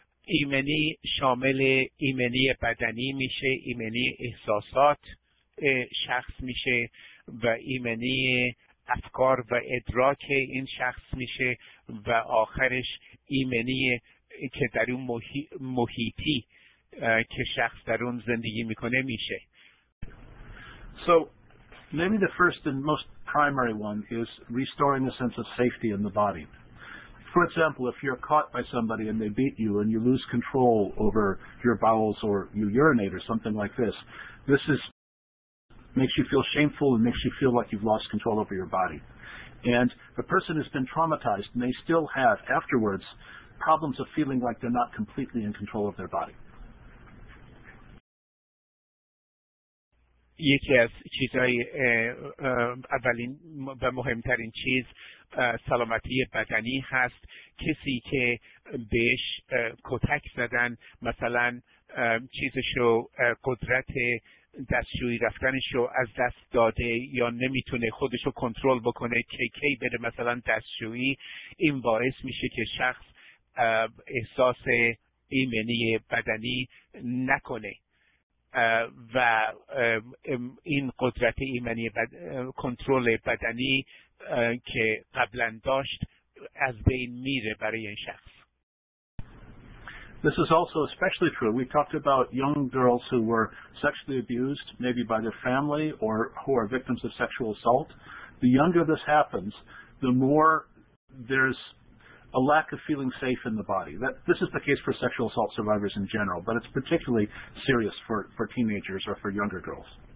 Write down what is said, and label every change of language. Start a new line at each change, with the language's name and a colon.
Persian: ایمنی شامل ایمنی بدنی میشه، ایمنی احساسات شخص میشه و ایمنی افکار و ادراک این شخص میشه و آخرش ایمنی که در اون محیطی که شخص در اون زندگی میکنه میشه.
English: So maybe the first and most primary one is restoring the sense of safety in the body. For example, if you're caught by somebody and they beat you and you lose control over your bowels or you urinate or something like this, this is makes you feel shameful and makes you feel like you've lost control over your body. And the person has been traumatized and they still have, afterwards, problems of feeling like they're not completely in control of their body.
Persian: یکی از چیزهای اولین و مهمترین چیز سلامتی بدنی هست. کسی که بهش کتک زدن، مثلا چیزشو قدرت دستشویی رفتنشو از دست داده یا نمیتونه خودشو کنترل بکنه کی بره مثلا دستشویی، این باعث میشه که شخص احساس ایمنی بدنی نکنه و این قدرت ایمنی کنترل بدنی که قبلا داشت از بین میره برای این شخص.
English: This is also especially true. We talked about young girls who were sexually abused, maybe by their family or who are victims of sexual assault. The younger this happens, the more there's a lack of feeling safe in the body. This is the case for sexual assault survivors in general, but it's particularly serious for teenagers or for younger girls.